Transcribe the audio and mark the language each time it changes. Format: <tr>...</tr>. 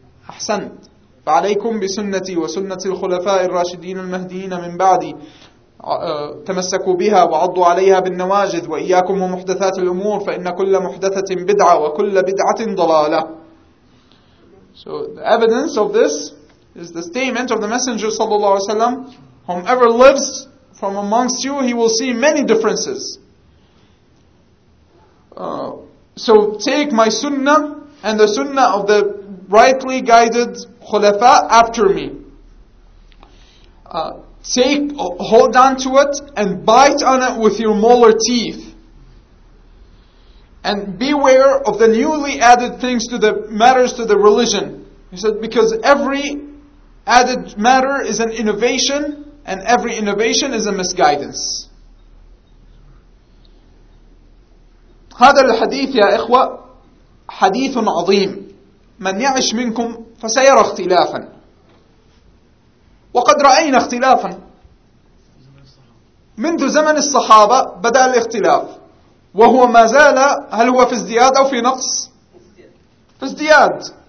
<ar>أحسنت. فعليكم بسنتي وسنة الخلفاء الراشدين المهديين من بعدي, تمسكوا بها وعضوا عليها بالنواجذ, وإياكم ومحدثات الأمور, فإن كل محدثة بدعة وكل بدعة ضلالة.</ar> <en>So the evidence of this is the statement of the Messenger sallallahu alaihi wasallam: whomever lives from amongst you, he will see many differences. So take my sunnah and the sunnah of the rightly guided khulafa after me. Hold on to it and bite on it with your molar teeth. And beware of the newly added things to the matters to the religion. He said, because every added matter is an innovation, and every innovation is a misguidance.</en> <ar>هذا الحديث يا إخوة حديث عظيم. من يعش منكم فسيرى اختلافا. وقد رأينا اختلافا منذ زمن الصحابة بدأ الاختلاف، وهو ما زال، هل هو في ازدياد أو في نقص؟ في ازدياد.</ar>